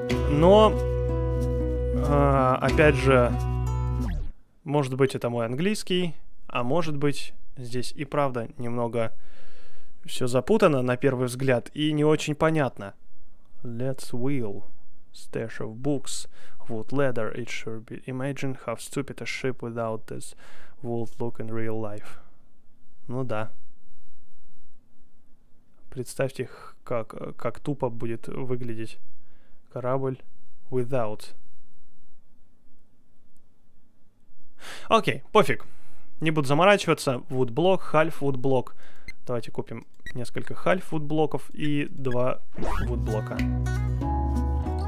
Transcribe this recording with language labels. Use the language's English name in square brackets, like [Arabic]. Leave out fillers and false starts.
[Russian] Но, опять же, может быть это мой английский, а может быть здесь и правда немного все запутано на первый взгляд и не очень понятно. [English] Let's wheel. Stash of books. Wood ladder. It should be... Imagine how stupid a ship without this would look in real life. [Russian] Ну да. Представьте, как тупо будет выглядеть корабль without. Окей, пофиг. Не буду заморачиваться. [English] Woodblock, half woodblock. [Russian] Давайте купим несколько [English] half woodblocks и 2 woodblocks.